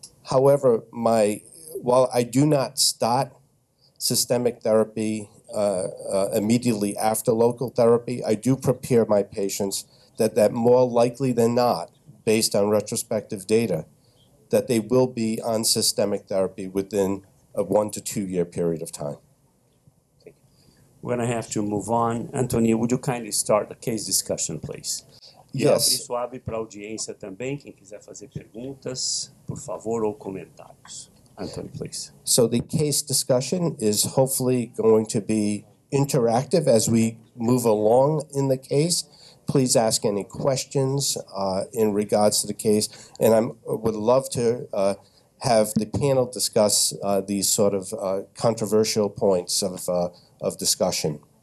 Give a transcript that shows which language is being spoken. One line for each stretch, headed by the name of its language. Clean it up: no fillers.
English: However, while I do not start systemic therapy immediately after local therapy, I do prepare my patients that more likely than not, based on retrospective data, that they will be on systemic therapy within a 1 to 2 year period of time. We're going to have to move on. Antonio, would you kindly start the case discussion, please? Yes.
Portuguese: E abrir suave para a audiência também, quem quiser fazer perguntas, por favor, ou comentários.
English: Antonio, please. So the case discussion is hopefully going to be interactive as we move along in the case. Please ask any questions in regards to the case. And I would love to have the panel discuss these sort of controversial points of discussion.